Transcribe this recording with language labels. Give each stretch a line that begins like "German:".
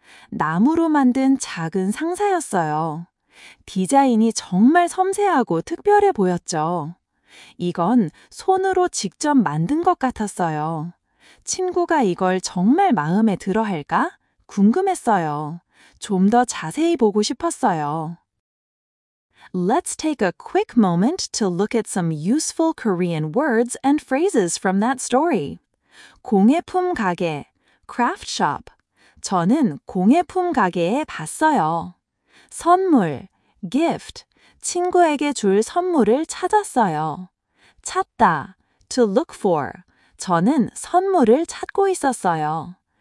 Korean: 나무로 만든 작은 상자였어요. 디자인이 정말 섬세하고 특별해 보였죠. 이건 손으로 직접 만든 것 같았어요. 친구가 이걸 정말 마음에 들어 할까? 궁금했어요. 좀 더 자세히 보고 싶었어요.
English: Let's take a quick moment to look at some useful Korean words and phrases from that story.
Korean: 공예품 가게,
English: craft shop.
Korean: 저는 공예품 가게에 봤어요. 선물, gift. 친구에게 줄 선물을 찾았어요. 찾다,
English: to look for.
Korean: 저는 선물을 찾고 있었어요.